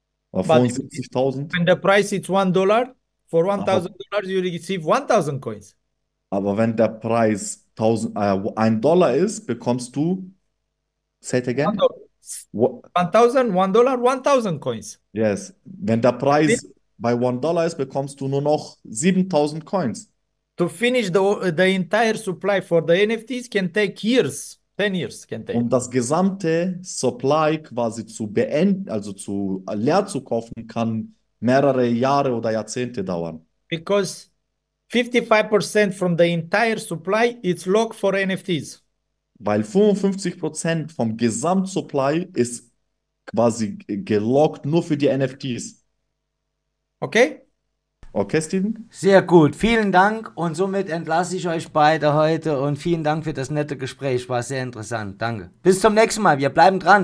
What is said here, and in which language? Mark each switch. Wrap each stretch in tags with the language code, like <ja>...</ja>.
<de>Oder 75,000.</de> <en>When the price is $1, for $1,000, you receive 1,000 coins.</en> <de>Aber wenn der Preis $1 ist, bekommst du,</de> <en>say it again. $1,000 Coins. Yes.</en> <de>Wenn der Preis bei $1 ist, bekommst du nur noch 7,000 Coins.</de> <en>To finish the entire supply for the NFTs can take years. 10 years can take.</en> <de>Um das gesamte Supply quasi zu beenden, also zu leer zu kaufen, kann mehrere Jahre oder Jahrzehnte dauern.</de> <en>Because 55% from the entire supply is locked for NFTs.</en> <de>Weil 55% vom Gesamtsupply ist quasi gelockt nur für die NFTs.</de> <en>Okay? Okay, Steven?</en> <de>Sehr gut. Vielen Dank. Und somit entlasse ich euch beide heute. Und vielen Dank für das nette Gespräch. War sehr interessant. Danke. Bis zum nächsten Mal. Wir bleiben dran.</de>